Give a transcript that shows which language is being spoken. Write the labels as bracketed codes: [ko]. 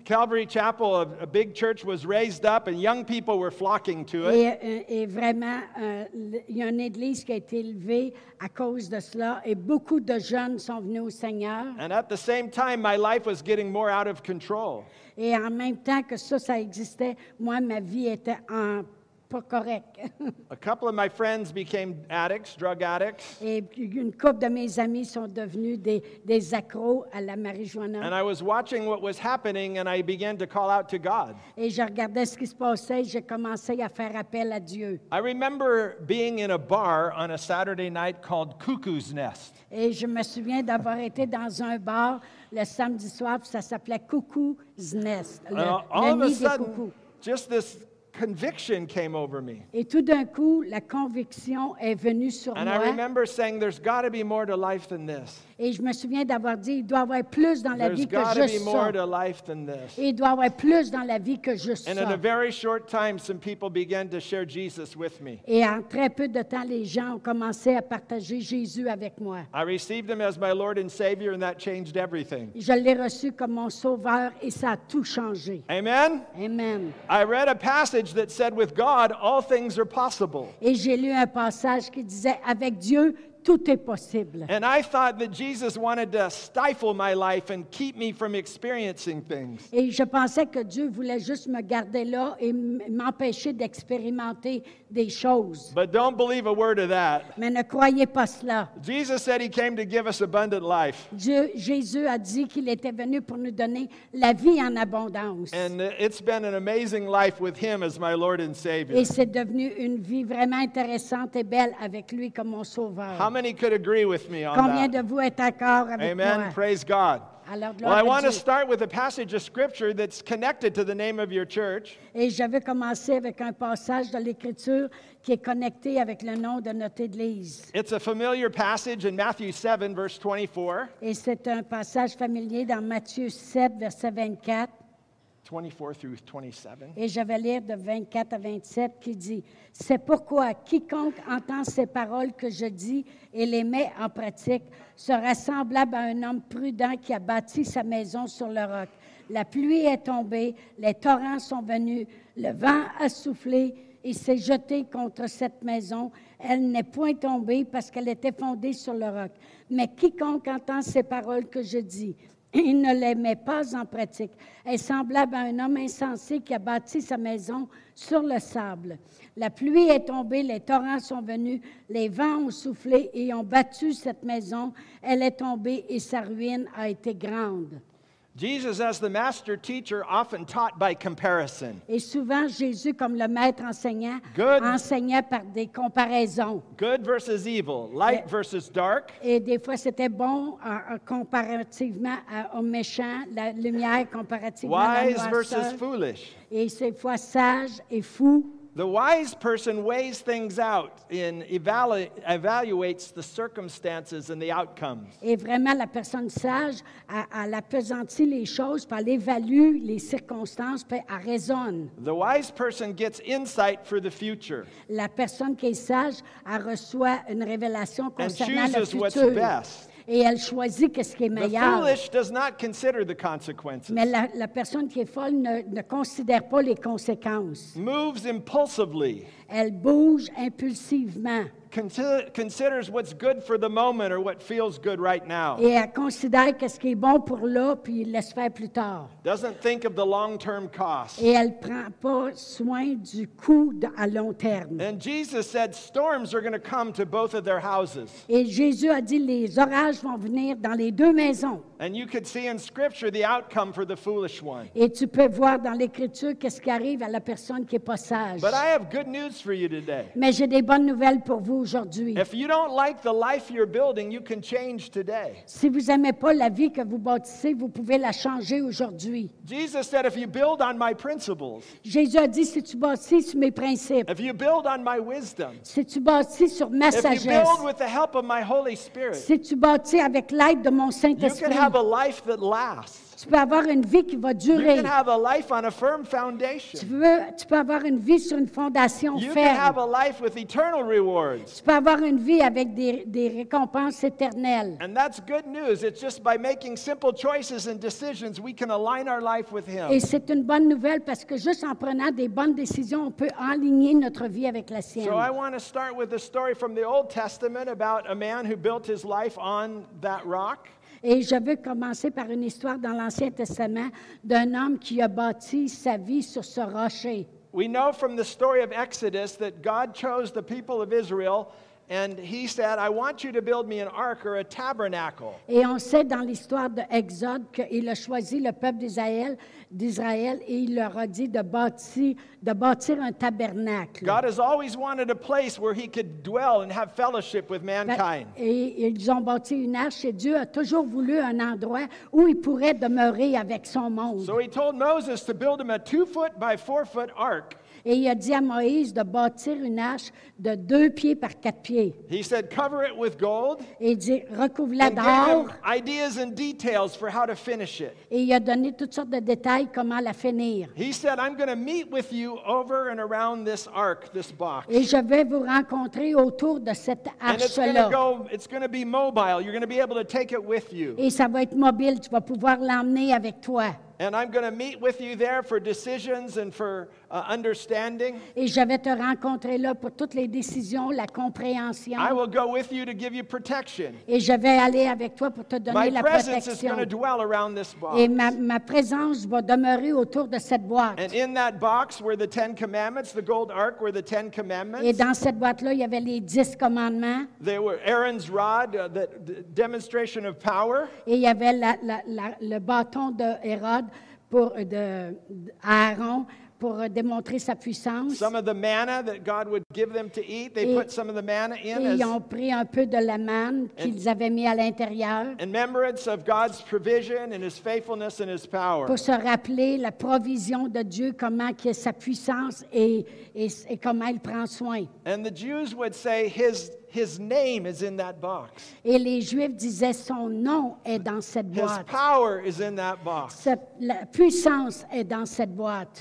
[en] Calvary Chapel, a big church, was raised up and young people were flocking to it. [fr] Et vraiment, il y a une église qui a été élevée à cause de cela et beaucoup de jeunes sont venus au Seigneur. [en] And at the same time, my life was getting more out of control. [fr] Et en même temps que ça existait, moi, ma vie était pas correcte. [en] A couple of my friends became addicts, drug addicts. [fr] Et une couple de mes amis sont devenus des accros à la marijuana. [en] And I was watching what was happening, and I began to call out to God. [fr] Et je regardais ce qui se passait, j'ai commencé à faire appel à Dieu. [en] I remember being in a bar on a Saturday night called Cuckoo's Nest. [fr] Et je me souviens d'avoir été dans un bar le samedi soir, puis ça s'appelait Cuckoo's Nest, le nid des coucous. [en] Just this conviction came over me. [fr] Et tout d'un coup, la conviction est venue sur [en] and [fr] moi. [en] I remember saying, there's got to be more to life than this. [fr] Et je me souviens d'avoir dit, il doit y avoir plus dans la [en] there's [fr] vie que je sens. [en] There's got to be more to life than this. [fr] Et il doit y avoir plus dans la vie que je [en] and [fr] sens. [en] And in a very short time, some people began to share Jesus with me. [fr] Et en très peu de temps, les gens ont commencé à partager Jésus avec moi. [en] I received him as my Lord and Savior, and that changed everything. [fr] Je l'ai reçu comme mon sauveur, et ça a tout changé. [en] Amen? Amen. I read a passage that said, with God, all things are possible. [fr] Et j'ai lu un passage qui disait, avec Dieu, tout est possible. [en] And I thought that Jesus wanted to stifle my life and keep me from experiencing things. [fr] Et je pensais que Dieu voulait juste me garder là et m'empêcher d'expérimenter des choses. [en] But don't believe a word of that. [fr] Mais ne croyez pas cela. [en] Jesus said he came to give us abundant life. [fr] Jésus a dit qu'il était venu pour nous donner la vie en abondance. [en] And it's been an amazing life with him as my Lord and Savior. [fr] Et c'est devenu une vie vraiment intéressante et belle avec lui comme mon sauveur. [en] How many could agree with me on that? [fr] Combien de vous êtes d'accord avec moi? [en] Amen. Praise God. [fr] Alors, [en] well, I want to start with a passage of Scripture that's connected to the name of your church. [fr] Et je vais commencer avec un passage de l'Écriture qui est connecté avec le nom de notre Église. [en] It's a familiar passage in Matthew 7, verse 24. [fr] Et c'est un passage familier dans Matthieu 7, verset 24. [en] 24 through 27. [fr] Et je vais lire de 24 à 27 qui dit, « C'est pourquoi quiconque entend ces paroles que je dis et les met en pratique sera semblable à un homme prudent qui a bâti sa maison sur le roc. La pluie est tombée, les torrents sont venus, le vent a soufflé et s'est jeté contre cette maison. Elle n'est point tombée parce qu'elle était fondée sur le roc. Mais quiconque entend ces paroles que je dis... Il ne les met pas en pratique. Est semblable à un homme insensé qui a bâti sa maison sur le sable. La pluie est tombée, les torrents sont venus, les vents ont soufflé et ont battu cette maison. Elle est tombée et sa ruine a été grande. [en] Jesus, as the master teacher, often taught by comparison. [fr] Et souvent, Jésus, comme le maître enseignant, enseignait par des comparaisons. [en] Good versus evil, light versus dark. [fr] Et des fois, c'était bon comparativement au méchant, la lumière comparativement à la noirceur. [en] Wise versus foolish. [fr] Et ces fois, sage et fou. [en] The wise person weighs things out and evaluates the circumstances and the outcomes. [fr] Et vraiment, la personne sage, elle appesantit les choses, puis elle évalue les circonstances, puis elle raisonne. [en] The wise person gets insight for the future. [fr] La personne qui est sage, elle reçoit une révélation concernant le futur. [en] And chooses what's best. [fr] Et elle choisit qu'est-ce qui est meilleur. [en] The foolish does not consider the consequences. [fr] Mais la personne qui est folle ne considère pas les conséquences. [en] Moves impulsively. [fr] Elle bouge impulsivement. [en] Considers what's good for the moment or what feels good right now. [fr] Et elle considère qu'est-ce qui est bon pour là puis elle laisse faire plus tard. [en] Doesn't think of the long-term cost. [fr] Et elle prend pas soin du coût à long terme. [en] And Jesus said storms are going to come to both of their houses. [fr] Et Jésus a dit les orages vont venir dans les deux maisons. [en] And you could see in Scripture the outcome for the foolish one. [fr] Et tu peux voir dans l'Écriture qu'est-ce qui arrive à la personne qui est pas sage. [en] But I have good news for you today. [fr] Mais j'ai des bonnes nouvelles pour vous. [en] If you don't like the life you're building, you can change today. [fr] Si vous aimez pas la vie que vous bâtissez, vous pouvez la changer aujourd'hui. [en] Jesus said, "If you build on my principles." [fr] Jésus a dit si tu bâtis sur mes principes. [en] If you build on my wisdom. [fr] Si tu bâtis sur ma sagesse. [en] If you build with the help of my Holy Spirit. [fr] Si tu bâtis avec l'aide de mon Saint-Esprit. [en] You can have a life that lasts. [fr] Tu peux avoir une vie qui va durer. [en] You can have a life on a firm foundation. [fr] Tu peux avoir une vie sur une fondation [en] you [fr] ferme. [en] You can have a life with eternal rewards. [fr] Tu peux avoir une vie avec des récompenses éternelles. [en] And that's good news. It's just by making simple choices and decisions we can align our life with Him. [fr] Et c'est une bonne nouvelle parce que juste en prenant des bonnes décisions, on peut aligner notre vie avec la sienne. [en] So I want to start with a story from the Old Testament about a man who built his life on that rock. [fr] Et je veux commencer par une histoire dans l'Ancien Testament d'un homme qui a bâti sa vie sur ce rocher. [en] We know from the story of Exodus that God chose the people of Israel and he said, I want you to build me an ark or a tabernacle. [fr] Et on sait dans l'histoire de Exode qu'il a choisi le peuple d'Israël et il leur a dit de bâtir un tabernacle. [en] God has always wanted a place where he could dwell and have fellowship with mankind. [fr] Et ils ont bâti une arche et Dieu a toujours voulu un endroit où il pourrait demeurer avec son monde. [en] So he told Moses to build him a 2-foot by 4-foot ark. [fr] Et il a dit à Moïse de bâtir une arche de 2 pieds par 4 pieds. [en] He said, cover it with gold. [fr] Et il dit, recouvre-la d'or. [en] Ideas and details for how to finish it. [fr] Et il a donné toutes sortes de détails comment la finir. [en] He said, I'm going to meet with you over and around this ark, this box. [fr] Et je vais vous rencontrer autour de cette arche-là. [en] And it's going to be mobile. You're going to be able to take it with you. [fr] Et ça va être mobile. Tu vas pouvoir l'emmener avec toi. [en] And I'm going to meet with you there for decisions and for understanding. [fr] Et je vais te rencontrer là pour toutes les décisions, la compréhension. [en] I will go with you to give you protection. [fr] Et je vais aller avec toi pour te donner [en] my [fr] la [en] presence [fr] protection. [en] Is going to dwell around this box. [fr] Et ma présence va demeurer autour de cette boîte. [en] And in that box were the Ten Commandments, the gold ark were the Ten Commandments. [fr] Et dans cette boîte-là, il y avait les 10 commandements. [en] There were Aaron's rod, the demonstration of power. [fr] Et il y avait le bâton de Hérode pour Aaron. Pour démontrer sa puissance. [en] Some of the manna that God would give them to eat, they put some of the manna in. [fr] Ils ont pris un peu de la manne qu'ils avaient mis à l'intérieur. [en] In remembrance of God's provision and His faithfulness and His power. [fr] Pour se rappeler la provision de Dieu, comment qu'il est sa puissance et comment il prend soin. [en] And the Jews would say His name is in that box. [fr] Et les Juifs disaient son nom est dans cette boîte. [en] His power is in that box. [fr] La puissance est dans cette boîte.